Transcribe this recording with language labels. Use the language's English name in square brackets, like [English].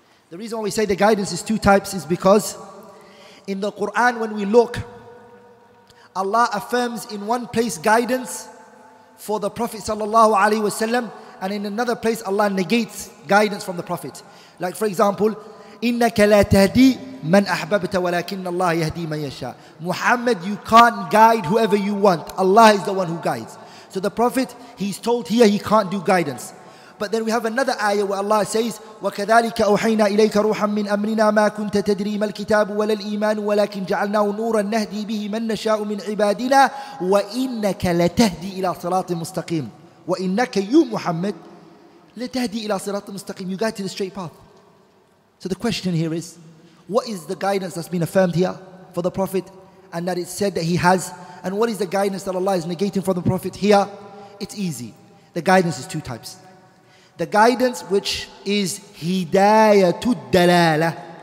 [English] The reason why we say the guidance is two types is because in the Quran, when we look, Allah affirms in one place guidance for the Prophet sallallahu alaihi wasallam, and in another place Allah negates guidance from the Prophet. Like for example, [Arabic] إِنَّكَ لَا تَهْدِي مَنْ أَحْبَبْتَ وَلَكِنَّ اللَّهَ يَهْدِي مَنْ يَشَاءَ. [English] Muhammad, you can't guide whoever you want. Allah is the one who guides. So the Prophet, he's told here he can't do guidance. But then we have another ayah where Allah says, [Arabic] وَكَذَلِكَ أَوْحَيْنَا إِلَيْكَ رُوحًا مِّنْ أَمْرِنَا مَا كُنْتَ تَدْرِي مَا الْكِتَابُ وَلَا الْإِيمَانُ وَلَكِنْ جَعَلْنَاهُ نُورًا نَهْدِي بِهِ مَنْ نَشَاءُ مِنْ عِبَادِنَا وَإِنَّكَ لَتَهْدِي إِلَى صِرَاطٍ مُسْتَقِيمٍ وَإِنَّكَ يُو مُحَمَّدْ لَتَهْدِي إِلَى صِرَاطٍ مُسْتَقِيمٍ. [English] You guide to the straight path. So the question here is, what is the guidance that's been affirmed here for the Prophet and that it's said that he has? And what is the guidance that Allah is negating from the Prophet here? It's easy. The guidance is two types. The guidance which is hidayatul dalala.